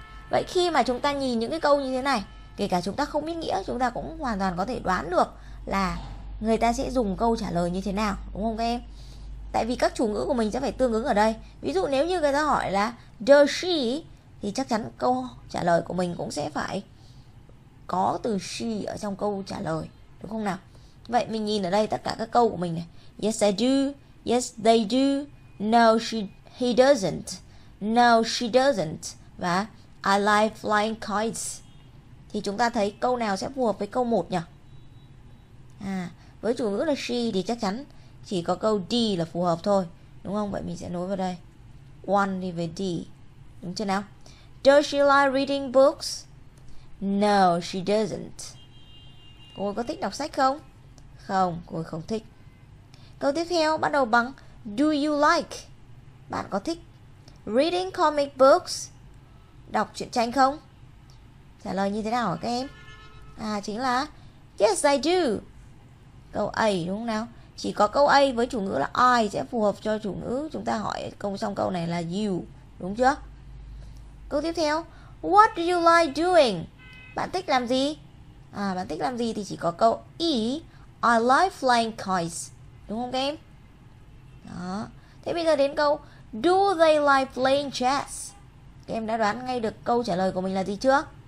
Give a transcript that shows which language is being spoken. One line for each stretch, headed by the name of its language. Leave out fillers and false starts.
Vietnamese: Vậy khi mà chúng ta nhìn những cái câu như thế này, kể cả chúng ta không biết nghĩa, chúng ta cũng hoàn toàn có thể đoán được là người ta sẽ dùng câu trả lời như thế nào, đúng không các em? Tại vì các chủ ngữ của mình sẽ phải tương ứng ở đây. Ví dụ nếu như người ta hỏi là does she, thì chắc chắn câu trả lời của mình cũng sẽ phải có từ she ở trong câu trả lời, đúng không nào? Vậy mình nhìn ở đây tất cả các câu của mình này.
English: Yes I do, yes they do, no she he doesn't, no she doesn't, và I like flying kites.
Vietnamese: Thì chúng ta thấy câu nào sẽ phù hợp với câu 1 nhỉ? Với chủ ngữ là she thì chắc chắn chỉ có câu D là phù hợp thôi, đúng không? Vậy mình sẽ nối vào đây. One đi về D, đúng chưa nào?
English: Does she like reading books? No, she doesn't.
Vietnamese: Cô có thích đọc sách không? Không, cô không thích. Câu tiếp theo bắt đầu bằng
English: do you like?
Vietnamese: Bạn có thích
English: reading comic books?
Vietnamese: Đọc truyện tranh không? Trả lời như thế nào hả các em? Chính là
English: yes I do.
Vietnamese: Câu A đúng không nào? Chỉ có câu A với chủ ngữ là I sẽ phù hợp cho chủ ngữ chúng ta hỏi câu xong câu này là you, đúng chưa? Câu tiếp theo,
English: what do you like doing?
Vietnamese: Bạn thích làm gì? Bạn thích làm gì thì chỉ có câu E,
English: I like flying kites,
Vietnamese: đúng không các em? Đó. Thế bây giờ đến câu
English: Do they like playing chess?
Vietnamese: Các em đã đoán ngay được câu trả lời của mình là gì chưa?